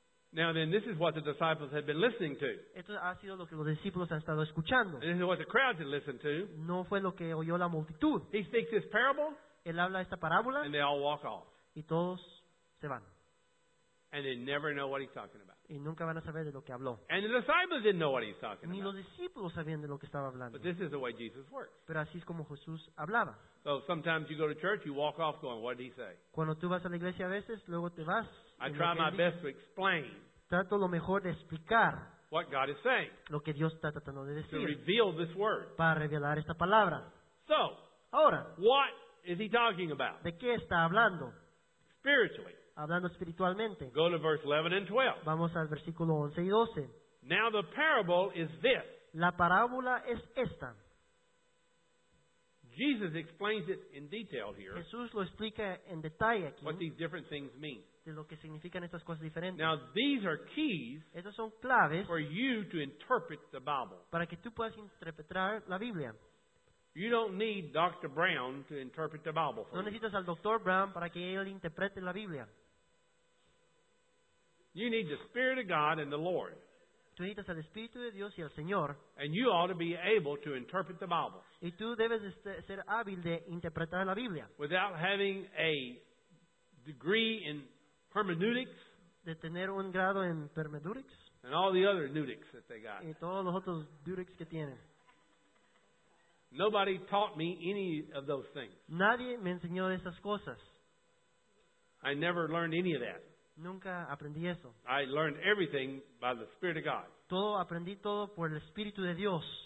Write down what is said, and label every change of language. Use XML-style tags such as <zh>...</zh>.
<en>Now then, this is what the disciples had been listening to.</en> <es>Esto ha sido lo que los discípulos han estado escuchando.</es> <en>And this is what the crowds had listened to.</en> <es>No fue lo que oyó la multitud.</es> <en>He speaks this parable.</en> <es>Él habla esta parábola.</es> <en>And they all walk off.</en> <es>Y todos se van.</es> <en>And they never know what he's talking about.</en> <es>Y nunca van a saber de lo que habló.</es> <en>And the disciples didn't know what he's talking about.</en> <es>Ni los discípulos sabían de lo que estaba hablando.</es> <en>But this is the way Jesus works.</en> <es>Pero así es como Jesús hablaba.</es> <en>So sometimes you go to church, you walk off going, what did he say?</en> <es>Cuando tú vas a la iglesia a veces, luego te vas.</es> <en>I try my best to explain.</en> <es>Trato lo mejor de explicar.</es> <en>What God is saying.</en> <es>Lo que Dios está tratando de decir.</es> <en>To reveal this word.</en> <es>Para revelar esta palabra.</es> <en>So.</en> <es>Ahora.</es> <en>What is he talking about?</en> <es>¿De qué está hablando?</es> <en>Spiritually.</en> <es>Hablando espiritualmente.</es> <en>Go to verse 11 and 12.</en> <es>Vamos al versículo 11 y 12.</es> <en>Now the parable is this.</en> <es>La parábola es esta.</es> <en>Jesus explains it in detail here.</en> <es>Jesús lo explica en detalle aquí.</es> <en>What these different things mean.</en> <es>De lo que significan estas cosas diferentes.</es> <en>Now these are keys.</en> <es>Estas son claves.</es> <en>For you to interpret the Bible.</en> <es>Para que tú puedas interpretar la Biblia.</es> <en>You don't need Dr. Brown to interpret the Bible for you.</en> <es>No necesitas al Dr. Brown para que él interprete la Biblia.</es> <en>You need the Spirit of God and the Lord.</en> <es>Tú necesitas al Espíritu de Dios y al Señor.</es> <en>And you ought to be able to interpret the Bible.</en> <es>Y tú debes ser hábil de interpretar la Biblia.</es> <en>Without having a degree in hermeneutics.</en> <es>De tener un grado en hermeneutics.</es> <en>And all the other neutics that they got.</en> <es>Y todos los otros neutics que tienen.</es> <en>Nobody taught me any of those things.</en> <es>Nadie me enseñó esas cosas.</es> <en>I never learned any of that.</en> <es>Nunca aprendí eso.</es> <en>I learned everything by the Spirit of God.</en> <es>Todo aprendí todo por el Espíritu de Dios.</es>